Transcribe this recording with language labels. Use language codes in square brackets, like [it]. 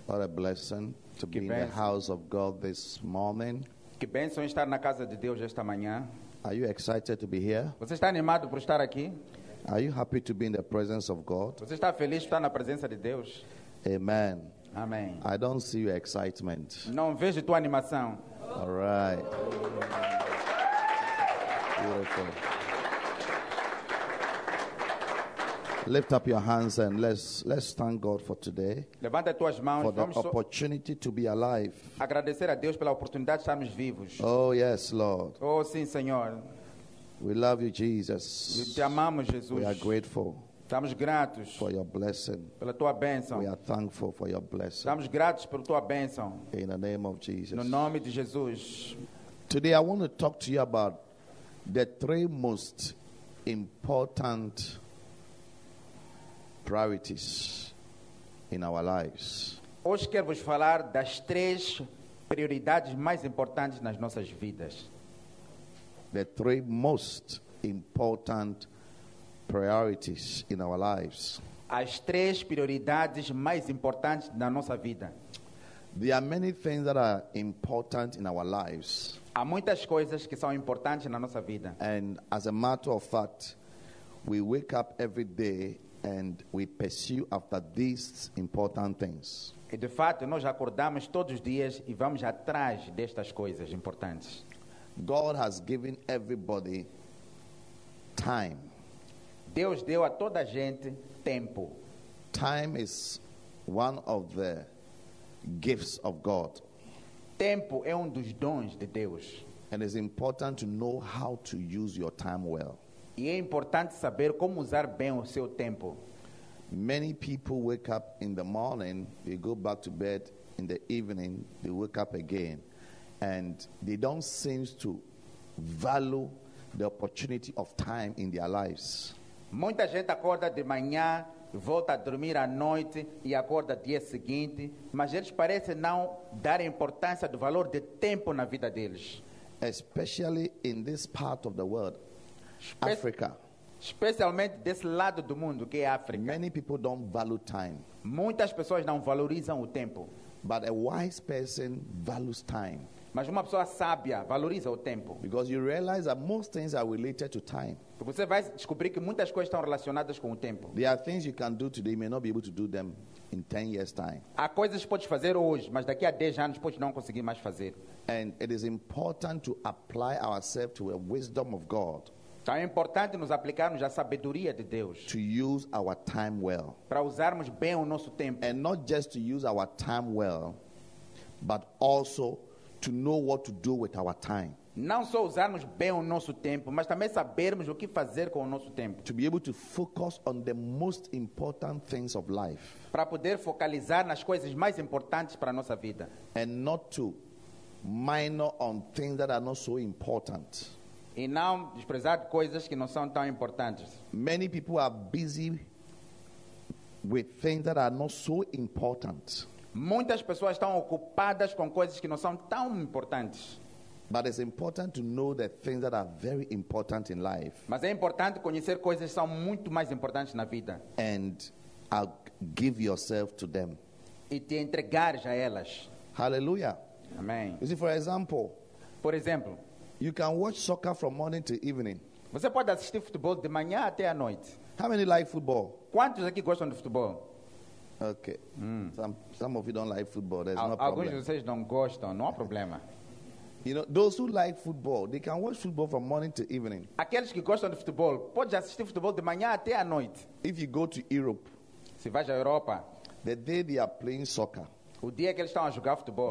[en] What a blessing to be in the house of God this morning. [pt] Que bênção estar na casa de Deus esta manhã. [en] Are you excited to be here? [pt] Você está animado por estar aqui? [en] Are you happy to be in the presence of God? [pt] Você está feliz por estar na presença de Deus? [en] Amen. [pt] Amém. [en] I don't see your excitement. [pt] Não vejo tua animação. [en] All right. Beautiful. Lift up your hands and let's thank God for today. [pt] Levanta tuas mãos, [en] for the opportunity to be alive. [pt] Agradecer a Deus pela oportunidade de estarmos vivos. [en] Oh yes, Lord. [pt] Oh sim, Senhor. [en] We love you, Jesus. [pt] Te amamos, Jesus. [en] We are grateful. [pt] Estamos gratos [en] for your blessing. [pt] Pela tua bênção. [en] We are thankful for your blessing. [pt] Estamos gratos pela tua bênção. [en] In the name of Jesus. [pt] No nome de Jesus. [en] Today I want to talk to you about the three most important priorities in our lives. [pt] Hoje quero vos falar das três prioridades mais importantes nas nossas vidas. [en] The three most important priorities in our lives. [pt] As três prioridades mais importantes na nossa vida. [en] There are many things that are important in our lives. [pt] Há muitas coisas que são importantes na nossa vida. [en] And as a matter of fact, we wake up every day and we pursue after these important things. [pt] E de fato, nós acordamos todos os dias e vamos atrás destas coisas importantes. [en] God has given everybody time. [pt] Deus deu a toda a gente tempo. [en] Time is one of the gifts of God. [pt] Tempo é dos dons de Deus. [en] And it's important to know how to use your time well. [pt] E é importante saber como usar bem o seu tempo. [en] Many people wake up in the morning, they go back to bed in the evening, they wake up again, and they don't seem to value the opportunity of time in their lives. [pt] Muita gente acorda de manhã, volta a dormir à noite e acorda dia seguinte, mas eles parecem não dar importância do valor de tempo na vida deles. [en] Especially in this part of the world, Africa. [pt] Especialmente desse lado do mundo que é África. [en] Many people don't value time. [pt] Muitas pessoas não valorizam o tempo. [en] But a wise person values time. [pt] Mas uma pessoa sábia valoriza o tempo. [en] Because you realize that most things are related to time. [pt] Porque você vai descobrir que muitas coisas estão relacionadas com o tempo. [en] There are things you can do today, you may not be able to do them in 10 years' time. [pt] Há coisas que podes fazer hoje, mas daqui a 10 anos podes não conseguir mais fazer. [en] And it is important to apply ourselves to a wisdom of God. [pt] Então é importante nos aplicarmos à sabedoria de Deus. [en] To use our time well. [pt] Para usarmos bem o nosso tempo. [en] And not just to use our time well, but also to know what to do with our time. [pt] Não só usarmos bem o nosso tempo, mas também sabermos o que fazer com o nosso tempo. [en] To be able to focus on the most important things of life. [pt] Para poder focalizar nas coisas mais importantes para a nossa vida. [en] And not to minor on things that are not so important. [pt] E não desprezar coisas que não são tão importantes. [en] Many people are busy with things that are not so important. [pt] Muitas pessoas estão ocupadas com coisas que não são tão importantes. [en] But it's important to know the things that are very important in life. [pt] Mas é importante conhecer coisas que são muito mais importantes na vida. [en] And give yourself to them. [pt] E te entregares a elas. [en] Hallelujah. [pt] Amém. [en] You see, for example. [pt] Por exemplo. [en] You can watch soccer from morning to evening. [pt] Você pode assistir futebol de manhã até à noite. [en] How many like football? [pt] Quantos aqui gostam de futebol? [en] Okay. Some of you don't like football. There's no problem. [pt] Alguns de vocês não gostam. Não há problema. [en] You know, those who like football, they can watch football from morning to evening. [pt] Aqueles que gostam de futebol, pode assistir futebol de manhã até à noite. [en] If you go to Europe. [pt] Se vais à Europa. [en] The day they are playing soccer. [pt] O dia que eles estão a jogar futebol.